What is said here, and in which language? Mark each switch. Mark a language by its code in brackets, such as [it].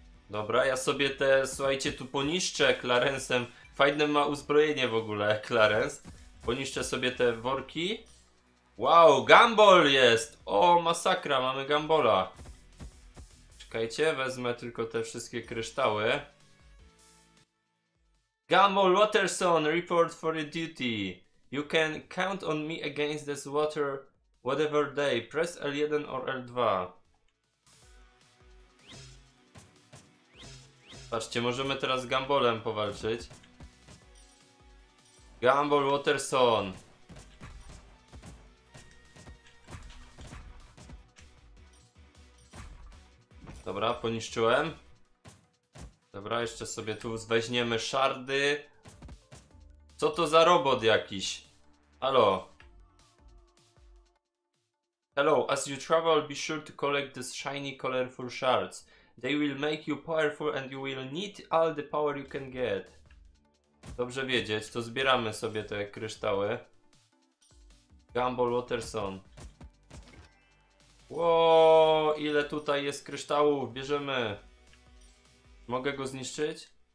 [pl] Dobra, ja sobie te, słuchajcie, tu poniszczę Clarence'em. Fajne ma uzbrojenie w ogóle, Clarence. Poniszczę sobie te worki. Wow, Gumball jest! O, masakra, mamy Gumballa. Czekajcie, wezmę tylko te wszystkie kryształy. [en] Gumball Watterson, report for your duty. You can count on me against this water, whatever day. Press L1 or L2. [pl] Patrzcie, możemy teraz z Gumballem powalczyć. [en] Gumball Watterson. [pl] Dobra, poniszczyłem. Dobra, jeszcze sobie tu zweźmiemy szardy. Co to za robot jakiś? Halo. [en] Hello, as you travel, be sure to collect these shiny colorful shards. They will make you powerful and you will need all the power you can get. [pl] Dobrze wiedzieć, to zbieramy sobie te kryształy. Gumball Watterson. Wow, ile tutaj jest kryształów, bierzemy. Mogę go zniszczyć?